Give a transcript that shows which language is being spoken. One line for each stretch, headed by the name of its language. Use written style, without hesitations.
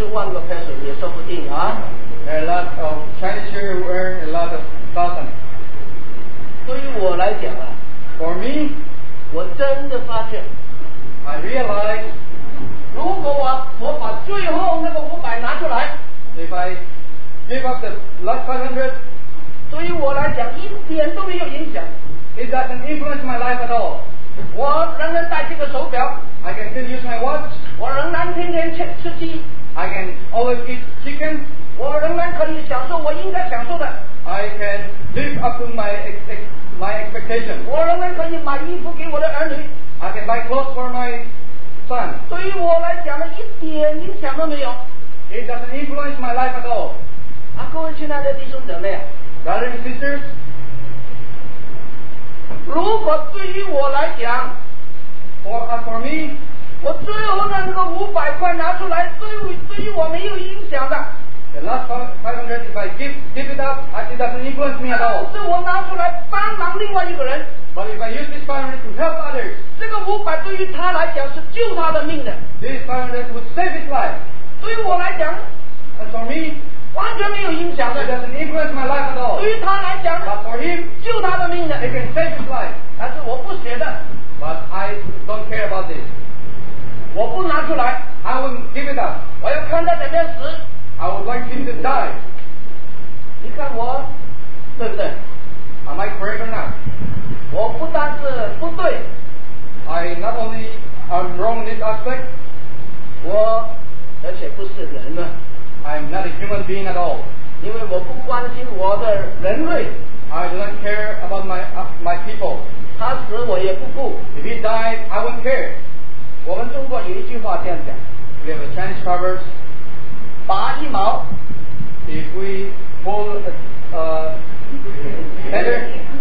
Chinese: 可能啊，有一些这里的华侨啊，一个月收好几十万个pesos也说不定啊。
English: There are a lot of Chinese here who earn a lot of thousands.
Chinese: 对于我来讲啊，
English: For me,
Chinese: 我真的发现，
English: I realize,
Chinese: 如果我把最后那个500拿出来，
English: If I give up the last 500,
Chinese: 对于我来讲一点都没有影响，
English: It doesn't influence my life at all.
Chinese: 我仍然戴这个手表，
English: I can still use my watch.
Chinese: 我仍然天天吃鸡，
English: I can always eat chicken.
Chinese: 我仍然可以享受我应该享受的，
English: I can live up to my expectation.
Chinese: 我仍然可以买衣服给我的儿女，
English: I can buy clothes for my
Chinese: 对于我来讲呢，一点影响都没有。
English: It doesn't influence my life at all.
Chinese: 各位亲爱的弟兄姊妹，
English: Brothers and sisters,
Chinese: 如果对于我来讲，
English: For me,
Chinese: 我最后那个500块拿出来， 对于我没有影响的。
English: the last 500, if I give it up, it doesn't influence me at all.
Chinese: 是我拿出来帮忙另外一个人,
English: but if I use this 500 to help others,
Chinese: 这个500对于他来讲是救他的命的,
English: this 500 would save his life.
Chinese: 对于我来讲,
English: and for me,
Chinese: 完全没有影响的,
English: it doesn't influence my life at all.
Chinese: 对于他来讲,
English: but for him,
Chinese: 救他的命的,
English: it can save his life.
Chinese: 但是我不写的,
English: but I don't care about this.
Chinese: 我不拿出来,
English: I won't give it up.
Chinese: 我要看他在那时,
English: I would like him to die.
Chinese: 你看我, 对不对?
English: Am I correct or not?
Chinese: 我不但是不对,
English: I not only am wrong in this aspect,
Chinese: 我而且不是人呢,
English: I'm not a human being at all.
Chinese: 因为我不关心我的人类,
English: I do not care about my people.
Chinese: 他死我也不顾,
English: if he died, I won't care.
Chinese: 我们中国有一句话这样讲,
English: we have a Chinese proverb,
Chinese: 拔一毛,
English: if we pull feather,